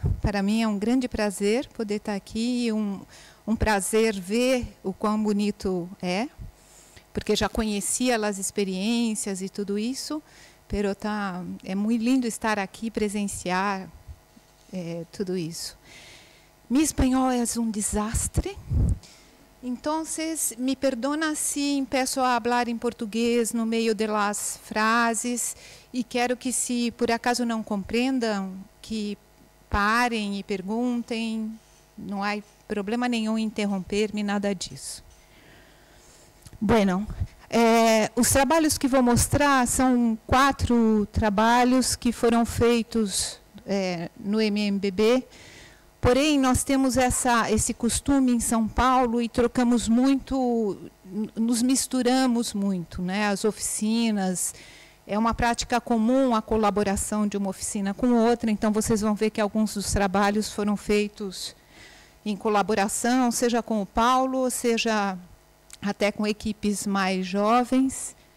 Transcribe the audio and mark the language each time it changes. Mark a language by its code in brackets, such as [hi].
[pt] Para mim é um grande prazer poder estar aqui e um prazer ver o quão bonito é. Porque já conhecia as experiências e tudo isso. Mas é muito lindo estar aqui, presenciar tudo isso. Meu espanhol é um desastre. [es] Entonces, me perdona si empiezo a hablar en portugués no medio de las frases y quiero que si por acaso no comprendan, que paren y pregunten, no hay problema ningún interrumpirme, nada de eso. Bueno, los trabajos que voy a mostrar son cuatro trabajos que fueron [pt] feitos no [es] MMBB. [pt] Porém, nós temos esse costume em São Paulo e trocamos muito, nos misturamos muito, né? As oficinas, é uma prática comum a colaboração de uma oficina com outra, então vocês vão ver que alguns dos trabalhos foram feitos em colaboração, seja com o Paulo, seja até com equipes mais jovens.